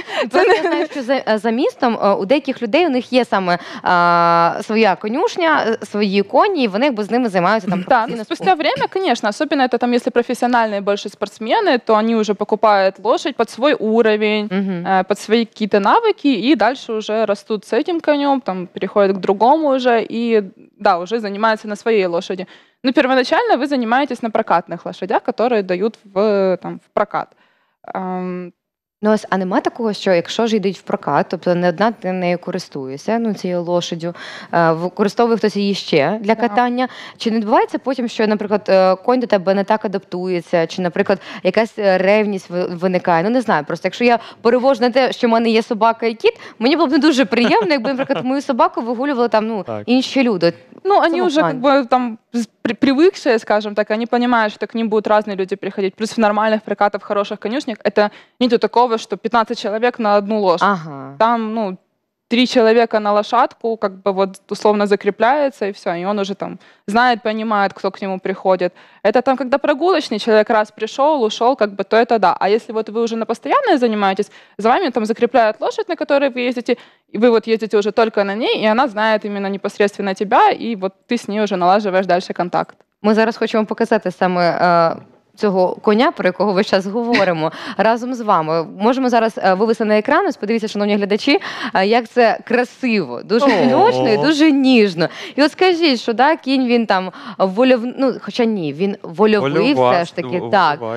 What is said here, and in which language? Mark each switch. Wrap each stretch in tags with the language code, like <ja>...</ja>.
<uk>Це я знаю, що за містом у деяких людей у них є саме своя конюшня, свої коні, і вони з ними займаються там професійно.</uk> <ru>Так, спустя время, конечно, особенно это там, если профессиональные больше спортсмены, то они уже покупают лошадь под свой уровень, под свои какие-то навыки, и дальше уже растут с этим конем, там переходят к другому уже, и да, уже занимаются на своей лошади. Но первоначально вы занимаетесь на прокатных лошадях, которые дают в прокат.</ru> <uk>Ну, ось, а нема такого, що якщо ж йдуть в прокат, тобто не одна ти нею користуєшся, ну, цією лошаддю, використовує хтось її ще для катання, чи не відбувається потім, що, наприклад, конь до тебе не так адаптується, чи, наприклад, якась ревність виникає, ну, не знаю, просто якщо я перевожу на те, що в мене є собака і кіт, мені було б не дуже приємно, якби, наприклад, мою собаку вигулювали там, ну, інші люди.</uk> <ru>Ну,</ru> <uk>вони вже, як би,</uk> <ru>там, привыкшие, скажем так, они понимают, что к ним будут разные люди приходить. Плюс в нормальных прокатах, в хороших конюшнях, это нету такого, что 15 человек на одну лошадь. Ага. Там, ну, 3 человека на лошадку, как бы вот условно закрепляется, и все. И он уже там знает, понимает, кто к нему приходит. Это там, когда прогулочный человек раз пришел, ушел, как бы, то это да. А если вот вы уже на постоянное занимаетесь, за вами там закрепляют лошадь, на которой вы ездите, и вы вот ездите уже только на ней, и она знает именно непосредственно тебя, и вот ты с ней уже налаживаешь дальше контакт. Мы</ru> <be>зараз</be> <ru>хочу вам показать самое...</ru> <uk>цього коня, про якого ми зараз говоримо, разом з вами. Можемо зараз вивести на екран, ось подивіться, шановні глядачі, як це красиво, дуже гнучно і дуже ніжно. І от скажіть, що да, кінь, він там вольовий все ж таки, так.</uk>